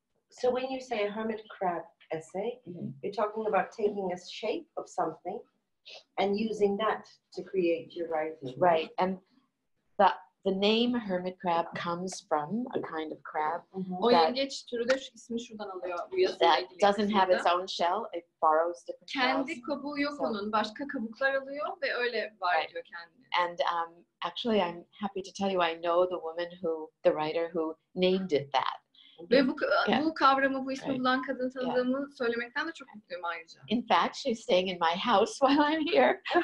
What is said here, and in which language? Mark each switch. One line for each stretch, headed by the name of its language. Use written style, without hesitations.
English: So when you say a hermit crab essay, you're talking about taking a shape of something and using that to create your writing. Right, and the name hermit crab comes from a kind of crab.
Turkish: O yengeç türü de şu ismi şuradan alıyor.
English: That doesn't have its own shell, it borrows different
Turkish: kendi
English: shells.
Turkish: Kendi kabuğu yok onun, başka kabuklar alıyor ve öyle var
English: right.
Turkish: Ediyor kendini.
English: And actually I'm happy to tell you I know the woman who, the writer who named it that.
Turkish: Ve bu kavramı, bu ismi bulan kadını tanıdığımı söylemekten de çok mutluyum ayrıca.
English: In fact, she's staying in my house while I'm here.